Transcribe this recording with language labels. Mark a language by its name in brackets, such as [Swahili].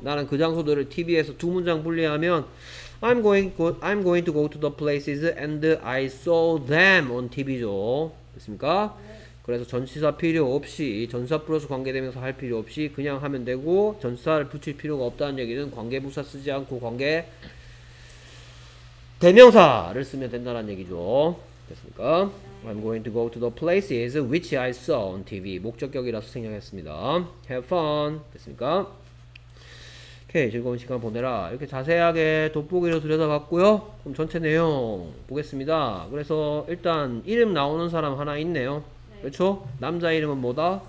[Korean] 나는 그 장소들을 TV에서 두 문장 분리하면 [English] I'm going to go to the places and I saw them on TV죠. 됐습니까? [Korean] 그래서 전치사 필요 없이 전사 플러스 관계대명사 할 필요 없이 그냥 하면 되고 전사를 붙일 필요가 없다는 얘기는 관계부사 쓰지 않고 관계 대명사를 쓰면 된다는 얘기죠. 됐습니까? [English] I'm going to go to the places which I saw on TV. [Korean] 목적격이라서 생략했습니다. [English] Have fun. [Korean] 됐습니까? 오케이. 즐거운 시간 보내라. 이렇게 자세하게 돋보기로 들여다봤고요. 그럼 전체 내용 보겠습니다. 그래서 일단 이름 나오는 사람 하나 있네요. 그렇죠? 남자 이름은 뭐다?